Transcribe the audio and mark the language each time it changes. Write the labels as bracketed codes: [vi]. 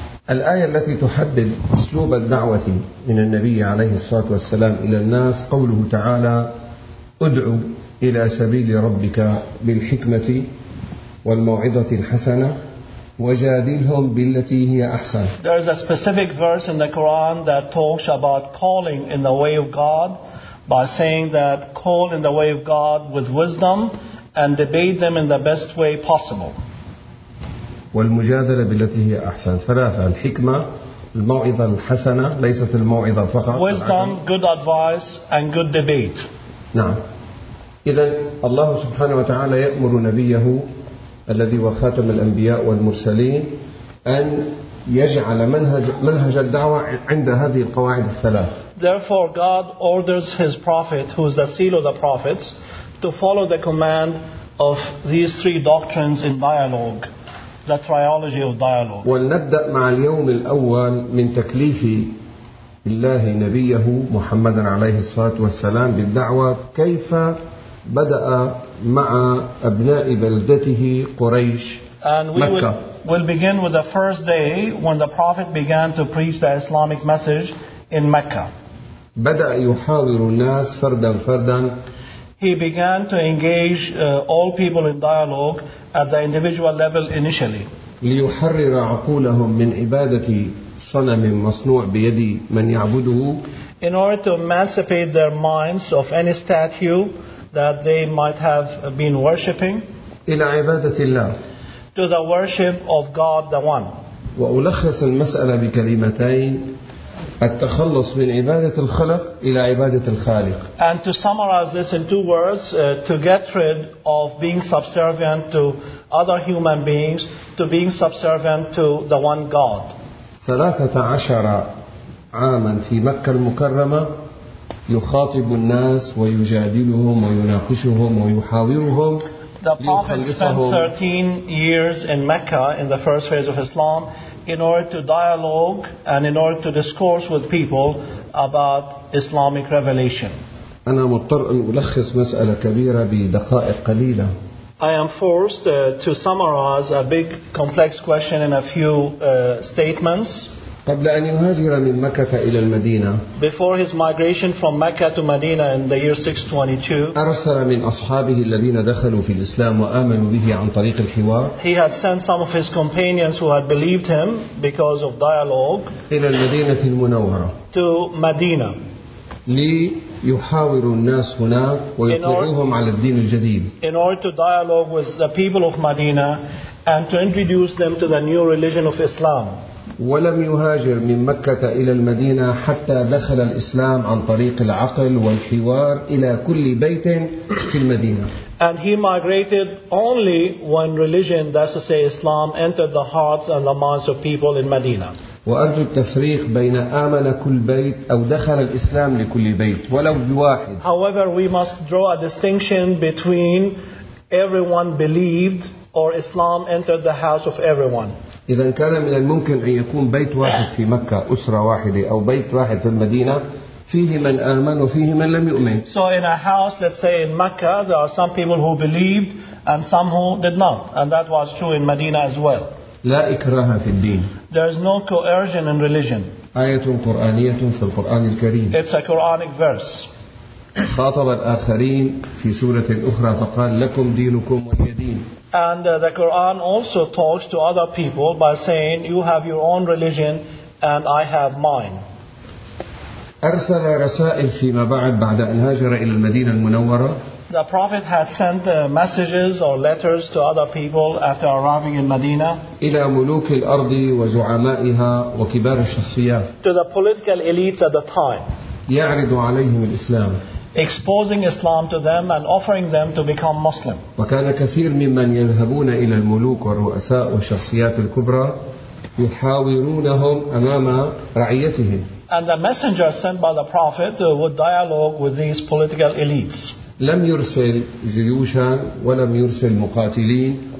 [ar] الآية التي تحدد أسلوب الدعوة من النبي عليه الصلاة والسلام إلى الناس قوله تعالى ادعو إلى سبيل ربك بالحكمة والموعظة الحسنة وجادلهم بالتي هي أحسن. [en] There is a specific verse in the Quran that talks about calling in the way of God by saying that call in the way of God with wisdom and debate them in the best way possible. [ar] والمجادلة بالتي هي أحسن ثلاثة الحكمة الموعظة الحسنة ليست الموعظة فقط. [en] Wisdom, good advice, and good debate. [ar] نعم. إذن الله سبحانه وتعالى يأمر نبيه الذي هو خاتم الأنبياء والمرسلين أن يجعل منهج الدعوة عند هذه القواعد الثلاث. [en] Therefore, God orders His prophet, who is the seal of the prophets, to follow the command of these three doctrines in dialogue. The triology of dialogue. [ar] ولنبدأ مع اليوم الأول من تكليف الله نبيه محمد عليه الصلاة والسلام بالدعوة كيف بدأ مع أبناء بلدته قريش [en] and we [ar] مكة. [en] We'll begin with the first day when the Prophet began to preach the Islamic message in Mecca. [ar] بدأ يحاور الناس فردا فردا. [en] He began to engage all people in dialogue at the individual level initially. [ar] ليحرر عقولهم من عبادة صنم مصنوع بيد من يعبده. [en] In order to emancipate their minds of any statue that they might have been worshipping. [ar] إلى عبادة الله. [en] To the worship of God the One. [ar] وألخص المسألة بكلمتين التخلص من عبادة الخلق إلى عبادة الخالق. [en] And to summarize this in two words, to get rid of being subservient to other human beings, to being subservient to the one God. [ar] 13 عاما في مكة المكرمة يخاطب الناس ويجادلهم ويناقشهم ويحاورهم. [en] The Prophet spent 13 years in Mecca in the first phase of Islam in order to dialogue and in order to discourse with people about Islamic revelation. [ar] أنا مضطر أن ألخص مسألة كبيرة بدقائق قليلة. [en] I am forced to summarize a big complex question in a few statements. [ar] قبل أن يهاجر من مكة إلى المدينة. [en] Before his migration from Mecca to Medina in the year 622. [ar] أرسل من أصحابه الذين دخلوا في الإسلام وآمنوا به عن طريق الحوار. [en] He had sent some of his companions who had believed him because of dialogue. [ar] إلى المدينة المنورة. [en] To Medina. [ar] ليحاور الناس هناك ويطلعوهم على الدين الجديد. [en] In order to dialogue with the people of Medina and to introduce them to the new religion of Islam. [ar] ولم يهاجر من مكة إلى المدينة حتى دخل الإسلام عن طريق العقل والحوار إلى كل بيت في المدينة. [en] And he migrated only when religion, that's to say Islam, entered the hearts and the minds of people in Medina. [ar] وأرجو التفريق بين آمن كل بيت أو دخل الإسلام لكل بيت ولو بواحد. [en] However, we must draw a distinction between everyone believed or Islam entered the house of everyone. [ar] إذا كان من الممكن أن يكون بيت واحد في مكة أسرة واحدة أو بيت واحد في المدينة فيه من آمن وفيه من لم يؤمن. [en] So in a house, let's say in Mecca, there are some people who believed and some who did not, and that was true in Medina as well. [ar] لا إكراه في الدين. [en] There is no coercion in religion. [ar] آية قرآنية في القرآن الكريم. [en] It's a Quranic verse. [ar] خاطب الآخرين في سورة أخرى فقال لكم دينكم ولي دين. [en] And the Quran also talks to other people by saying, "You have your own religion, and I have mine." [ar] أرسل رسائل فيما بعد بعد أن هاجر إلى المدينة المنورة. [en] The Prophet had sent messages or letters to other people after arriving in Medina. [ar] إلى ملوك الأرض وزعمائها وكبار الشخصيات. [en] To the political elites at the time. [ar] يعرض عليهم الإسلام. [en] Exposing Islam to them and offering them to become Muslim. [ar] وكان كثير ممن يذهبون إلى الملوك والرؤساء والشخصيات الكبرى يحاورونهم أمام رعيتهم. [en] And the messenger sent by the Prophet would dialogue with these political elites. [ar] لم يرسل جيوشا ولم يرسل مقاتلين.